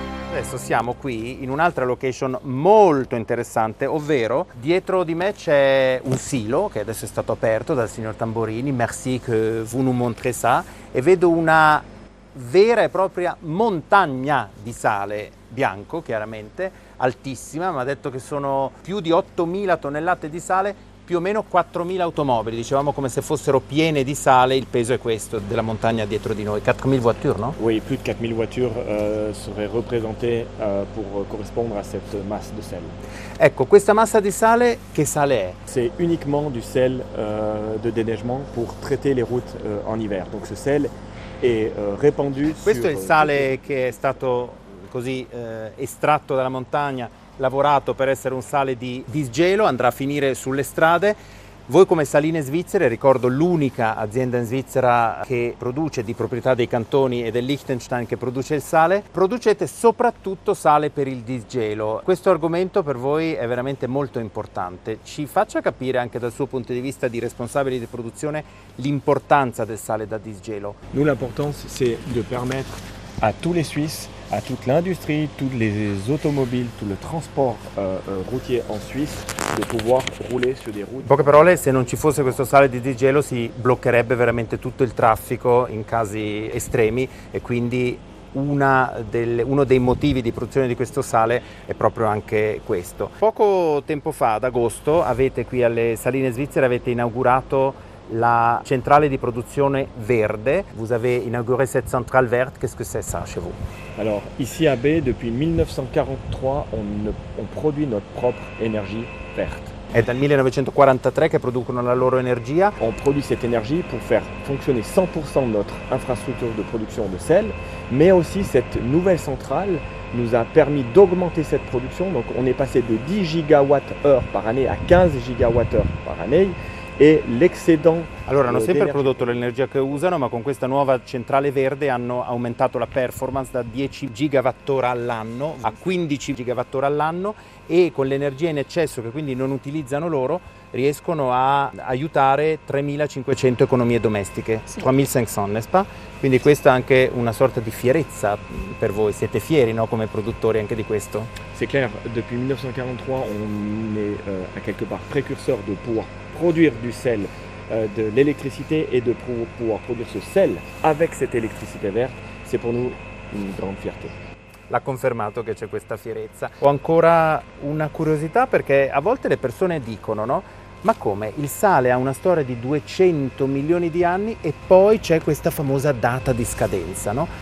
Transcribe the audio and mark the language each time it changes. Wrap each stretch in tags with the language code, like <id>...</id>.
<it>adesso siamo qui in un'altra location molto interessante, ovvero dietro di me c'è un silo che adesso è stato aperto dal signor Tamborini,</it> <fr>merci que vous nous montrez ça,</fr> <it>e vedo una vera e propria montagna di sale bianco, chiaramente altissima, ma ha detto che sono più di 8.000 tonnellate di sale, più o meno 4.000 automobili, dicevamo come se fossero piene di sale, il peso è questo della montagna dietro di noi, 4.000 voiture, no?</it> <fr>Oui, plus de 4.000 voitures seraient représentées pour correspondre à cette masse de sel.</fr> <it>Ecco, questa massa di sale, che sale è?</it> <fr>C'est uniquement du sel de déneigement pour traiter les routes en hiver. Donc ce sel est répandu sur...</fr> <it>Questo è il sale che è stato così estratto dalla montagna, lavorato per essere un sale di disgelo, andrà a finire sulle strade. Voi come Saline Svizzere, ricordo l'unica azienda in Svizzera che produce, di proprietà dei cantoni e del Liechtenstein, che produce il sale, producete soprattutto sale per il disgelo. Questo argomento per voi è veramente molto importante. Ci faccia capire anche dal suo punto di vista di responsabile di produzione l'importanza del sale da disgelo.</it> <fr>Nous, l'importance c'est de permettre à tous les Suisses, à toute l'industrie, tous les automobiles, tout le transport routier en Suisse, de pouvoir rouler sur des routes.</fr> <it>In poche parole, se non ci fosse questo sale di disgelo, si bloccherebbe veramente tutto il traffico in casi estremi, e quindi uno dei motivi di produzione di questo sale è proprio anche questo. Poco tempo fa, ad agosto, avete qui alle Saline Svizzere, avete inaugurato la centrale di produzione verde.</it> <fr>Vous avez inauguré cette centrale verte. Qu'est-ce que c'est ça chez vous? Alors, ici à B, depuis 1943, on produit notre propre énergie verte.</fr> <it>È dal 1943 che producono la loro energia.</it> <fr>On produit cette énergie pour faire fonctionner 100% notre infrastructure de production de sel, mais aussi cette nouvelle centrale nous a permis d'augmenter cette production. Donc on est passé de 10 gigawatt-heure par année à 15 gigawatt-heure par année.</fr> <it>E l'excedente. Allora, hanno sempre prodotto l'energia che usano, ma con questa nuova centrale verde hanno aumentato la performance da 10 gigawattora all'anno a 15 gigawattora all'anno, e con l'energia in eccesso che quindi non utilizzano loro, riescono a aiutare 3.500 economie domestiche. Sì. 3.500,</it> <fr>n'est-ce pas?</fr> <it>Quindi questa è anche una sorta di fierezza per voi. Siete fieri, no, come produttori anche di questo?</it> <fr>C'est clair, depuis 1943, on est à quelque part précurseur de pouvoir produire du sel, de l'électricité, et de pouvoir produire ce sel avec cette électricité verte, c'est pour nous une grande fierté.</fr> <it>L'ha confermato che c'è questa fierezza. Ho ancora una curiosità, perché a volte le persone dicono, no? Ma come? Il sale ha una storia di 200 milioni di anni e poi c'è questa famosa data di scadenza, no?</it>